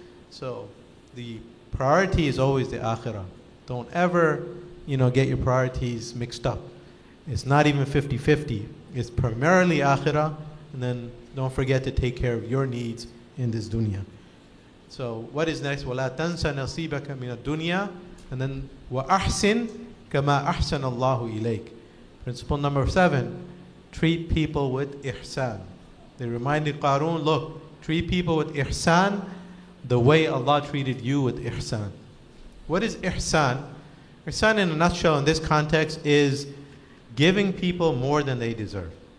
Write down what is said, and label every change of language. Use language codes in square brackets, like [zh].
[en] So the priority is always the akhirah. Don't ever, you know, get your priorities mixed up. It's not even 50-50. It's primarily akhirah, and then don't forget to take care of your needs in this dunya. So what is next? [ar] وَلَا تَنْسَ نَصِيبَكَ مِنَ الدُّنْيَا, [en] and then [ar] وَأَحْسِنْ كَمَا أَحْسَنَ اللَّهُ إِلَيْكَ. [en] Principle number 7, treat people with ihsan. They reminded Qarun, look, treat people with ihsan the way Allah treated you with ihsan. What is ihsan? Ihsan in a nutshell in this context is giving people more than they deserve.